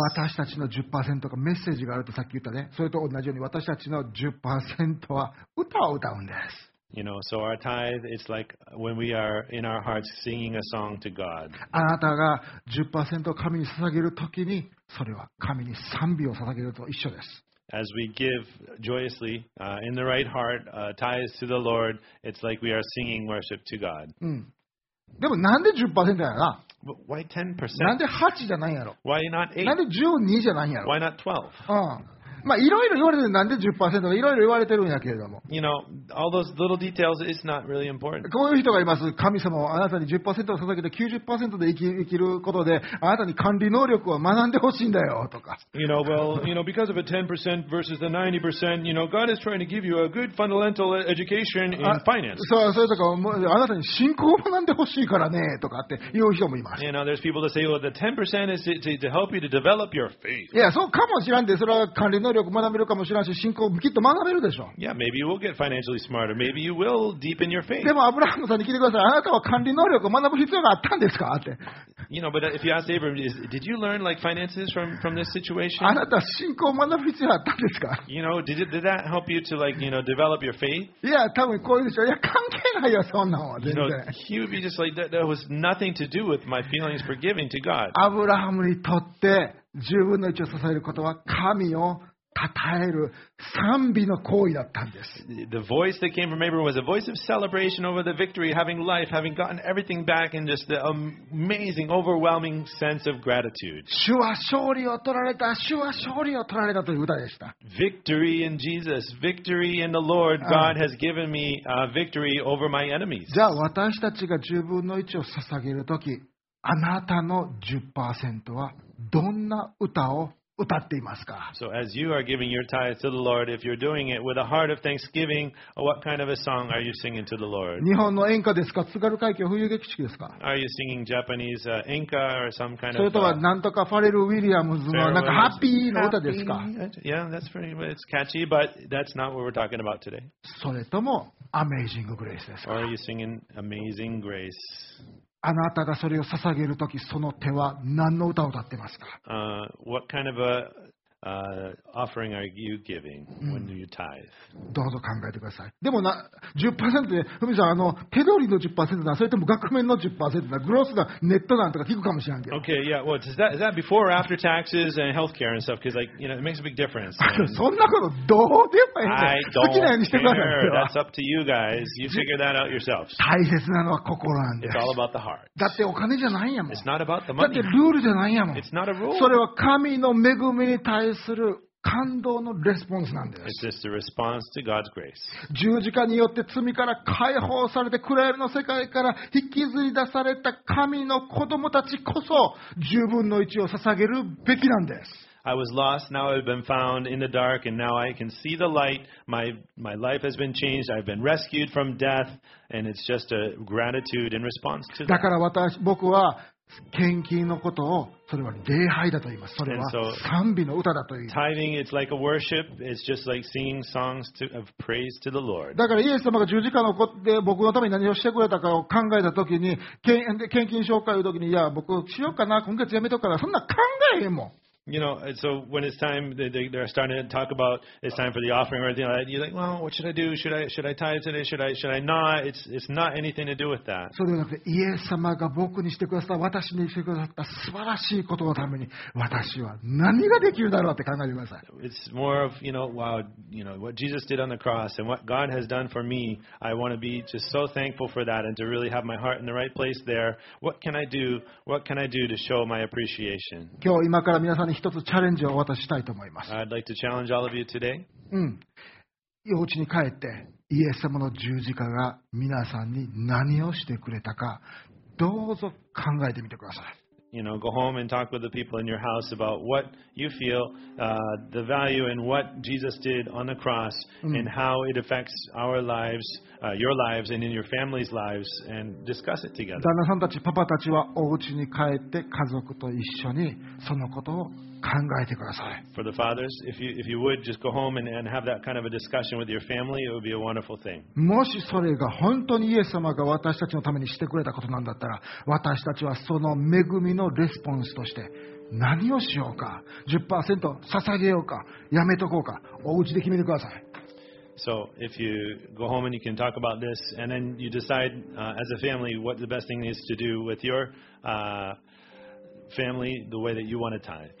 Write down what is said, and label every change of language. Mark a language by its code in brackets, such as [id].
[ja] 私たちの 10% がメッセージがあるとさっき言ったね。それと同じように私たちの 10% は歌を歌うんです。 [en] You know, so our tithe, it's like when we are in our hearts singing a song to God. [ja] あなたが 10% を神に捧げるときに、それは神に賛美を捧げると一緒です。 [en] As we give joyously, in the right heart, tithes to the Lord, it's like we are singing worship to God. [ja] でもなんで 10% やな? [en] But why 10%? [ja] なんで8じゃないやろ? [en] Why not 8? [ja] なんで12じゃないやろ? [en] Why not 12? [ja] まあいろいろ言われてるなんで 10% かいろいろ言われてるんやけれども。 [en] You know, all those little details is not really important. [ja] こういう人がいます。神様はあなたに 10% を捧げて 90% で生きることであなたに管理能力を学んでほしいんだよとか。 [en] You know, well, you know, because of a 10% versus the 90%, you know, God is trying to give you a good fundamental education in finance. [ja] それとかあなたに信仰を学んでほしいからねとかっていう人もいます。 [en] You know, there's people that say, well, the 10% is to help you to develop your faith. [ja] いや、そうかもしれんで、それは管理能力力を学べるかもしれないし、信仰をきっと学べるでしょう。 [en] Yeah, maybe you will get financially smarter. Maybe you will deepen your faith. [ja] でもアブラハムさんに聞いてください。あなたは管理能力を学ぶ必要があったんですかって。 [en] You know, but if you ask Abraham, did you learn like finances from this situation? [ja] あなたは信仰を学ぶ必要があったんですか。 [en] You know, did that help you to like you know develop your faith? [ja] いや、多分こういうでしょう。いや、関係ないよそんなのは全然。 [en] You know, he would be just like that. That was nothing to do with my feelings for giving to God. [ja] アブラハムにとって。十分の一を支えることは神を称える賛美の行為だったんです。 [en] The voice that came from Abraham was a voice of celebration over the victory, having life, having gotten everything back, and just the amazing, overwhelming sense of gratitude. [ja] 主は勝利を取られた、主は勝利を取られたという歌でした。 [en] Victory in Jesus, victory in the Lord, God has given me a victory over my enemies. [ja] じゃあ私たちが十分の一を捧げるとき、あなたの 10% はどんな歌を歌っていますか。 [en] So as you are giving your tithe to the Lord, if you're doing it with a heart of thanksgiving, what kind of a song are you singing to the Lord? [ja] 日本の演歌ですか、津軽海峡冬景色ですか。 [en] Are you singing Japanese enka or some kind of? [ja] それとはなんとかファレル・ウィリアムズのなんかハッピーの歌ですか。 [en] Yeah, that's pretty, it's catchy, but that's not what we're talking about today. [ja] それとも Amazing Grace ですか。 [en] Are you singing Amazing Grace? [ja] あなたがそれを捧げるとき、その手は何の歌を歌っていますか。 [en] What kind of a offering are you giving when you tithe? [ja] どうぞ考えてください。でもな 10% で、ふみさん、あの手取りの 10% だ、それとも額面の 10% だ、グロスだ、ネットだとか聞くかもしれないけど。 [en] Okay, yeah. Well, is that before or after taxes and healthcare and stuff? Because like, you know, it makes a big difference. [ja] そんなことどうでもいい。 [en] I don't care. That's up to you guys. You figure that out yourselves. [ja] 大切なのは心なんです。 [en] It's all about the heart. [ja] だってお金じゃないやもん。 [en] It's not about the money. [ja] だってルールじゃないやもん。 [en] It's not a rule. [ja] それは神の恵みに対する感動のレスポンスなんです。 [en] It's just a response to God's grace. [ja] 十字架によって罪から解放されて暗闇の世界から引きずり出された神の子供たちこそ十分の一を捧げるべきなんです。 [en] I was lost, now I've been found in the dark, and now I can see the light. My life has been changed. I've been rescued from death, and it's just a gratitude in response to that. [ja] だから僕は献金のことをそれは礼拝だと言います。それは賛美の歌だと言います。 [en] Tithing is like a worship. It's just like singing songs of praise to the Lord. [ja] だからイエス様が十字架の子で僕のために何をしてくれたかを考えたときに献金紹介を言うときにいや僕しようかな今月やめとくからそんな考えへんもん。 [en] You know, so when it's time, they're starting to talk about it's time for the offering or anything like that. You're like, well, what should I do? Should I tithe today? Should I not? It's not anything to do with that. [ja] そうではなくて、イエス様が僕にしてくださった、私にしてくださった素晴らしいことのために、私は何ができるだろうって考えてください。 [en] It's more of, you know, wow, you know, what Jesus did on the cross and what God has done for me, I want to be just so thankful for that and to really have my heart in the right place there. What can I do? What can I do to show my appreciation? [ja] 今日今から皆さん一つチャレンジをお渡ししたいと思います。 [en] I'd like to challenge all of you today. [ja] お家に帰って、イエス様の十字架が皆さんに何をしてくれたか、どうぞ考えてみてください。 [en] You know, go home and talk with the people in your house about what you feel, the value and what Jesus did on the cross and how it affects our lives, your lives and in your family's lives and discuss it together. [ja] 旦那さんたち、パパたちはお家に帰って家族と一緒にそのことを考えてください。 [en] For the fathers, if you would just go home and have that kind of a discussion with your family, it would be a wonderful thing. [ja] もしそれが本当にイエス様が私たちのためにしてくれたことなんだったら、私たちはその恵みのレスポンスとして何をしようか、10% 捧げようか、やめとこうか、お家で決めてください。 [en] So if you go home and you can talk about this, and then you decide as a family what the best thing is to do with your family the way that you want to tithe.